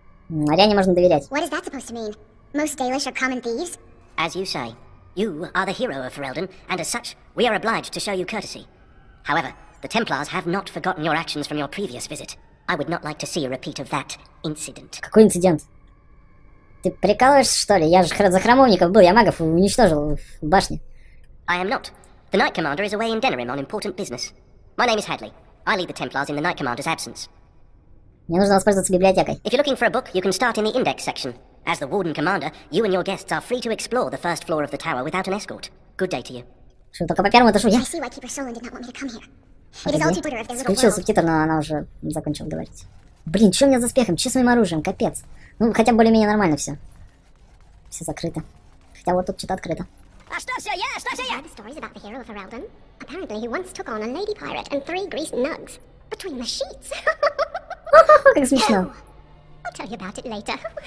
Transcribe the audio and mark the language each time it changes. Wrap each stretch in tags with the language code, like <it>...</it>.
<ru>Ариане можно доверять.</ru> <en>What is that supposed to mean? Most Dalish are common thieves? As you say, you are the hero of Ferelden, and as such, we are obliged to show you courtesy. However, the Templars have not forgotten your actions from your previous visit. I would not like to see a repeat of that incident.</en> <ru>Какой инцидент? Ты прикалываешься, что ли? Я же за храмовников был, я магов уничтожил в башне.</ru> <en>I am not. The Night Commander is away in Denerim on important business. My name is Hadley. I lead the Templars in the Night Commander's absence.</en> <ru>Мне нужно воспользоваться библиотекой.</ru> <en>If you're looking for a book, you can start in the index section. As the Warden Commander, you and your guests are free to explore the first floor of the tower without an escort. Good day to you.</en> <ru>Что, только по первому этажу, я?</ru> <en>I see why Keeper Solon did not want me to come here. It is all too bitter of their little world.</en> <ru>Включил субтитр, но она уже закончила говорить. Блин, что у меня за успехом? Че с моим оружием? Капец. Ну, хотя более-менее нормально все. Все закрыто. Хотя вот тут что-то открыто. А что все я? Что все я?</ru> <en>The stories about the hero of Ferelden. Apparently he once took on a lady pirate and three greased nugs. Between the sheets.</en> <ru>Как смешно.</ru> <en>I'll tell you about it later.</en>